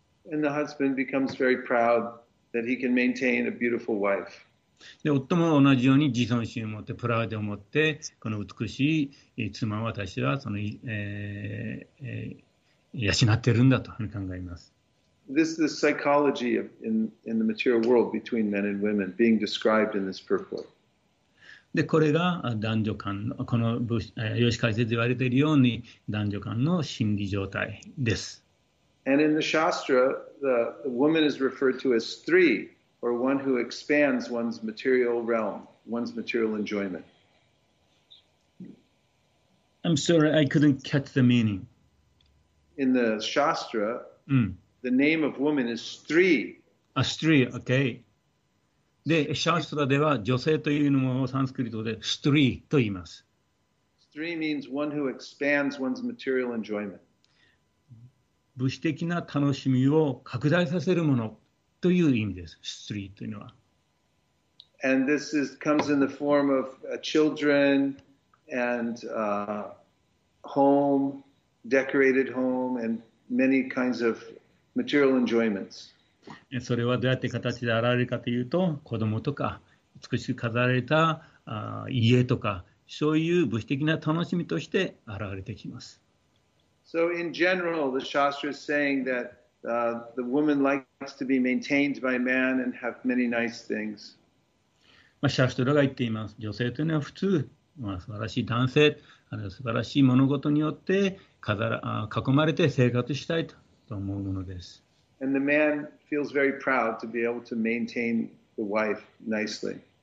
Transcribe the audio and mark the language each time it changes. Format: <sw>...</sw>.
<en>And the husband becomes very proud that he can maintain a beautiful wife.</en> <ja>で、夫も同じように自尊心を持って、プライドを持って、この美しい妻を私はその、養っているんだと考えます。</ja> <en>This is the psychology of, in the material world between men and women being described in this purport.</en> <ja>で、これが男女間の、この吉解説で言われているように男女間の心理状態です。</ja> <en>And in the Shastra, the woman is referred to as sthri. Or one who expands one's material realm, one's material enjoyment. I'm sorry, I couldn't catch the meaning. In the Shastra, the name of woman is Stri. A Stri, okay.</en> <ja>で、Shastra では女性というのをサンスクリットで Stri と言います。</ja> <en>Stri means one who expands one's material enjoyment.</en> <ja>物質的な楽しみを拡大させるもの。という意味です。スリーというのは。</ja> <en>And this is, comes in the form of children and home, decorated home, and many kinds of material enjoyments.</en> <ja>それはどうやって形で現れるかというと、子供とか美しく飾られた家とか、そういう物質的な楽しみとして現れてきます。</ja> <en>So in general, the Shastra is saying thatthe woman likes to be maintained by man and have many nice things.</en> <ja>まあ、シャストラが言っています。女性というのは普通、まあ、素晴らしい男性、あの素晴らしい物事によって囲まれて生活したいと思うものです。</ja> <en>And the man feels very proud to be able to maintain the wife nicely.</en>